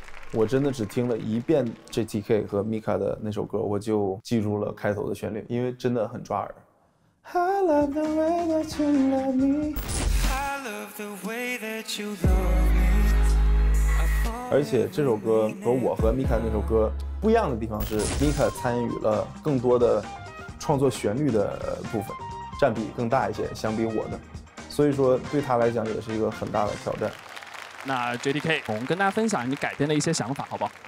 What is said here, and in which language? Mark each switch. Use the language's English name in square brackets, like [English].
[Chinese] 我真的只听了一遍 JTK 和 Mika 的那首歌，我就记住了开头的旋律，因为真的很抓耳。 [English] I love the way that you love me. I love the way that you love me. [Chinese] 而且这首歌和我和 Mika 那首歌不一样的地方是 ，Mika 参与了更多的创作旋律的部分，占比更大一些，相比我的，所以说对他来讲也是一个很大的挑战。那 JTK， 我们跟大家分享你改编的一些想法，好不好？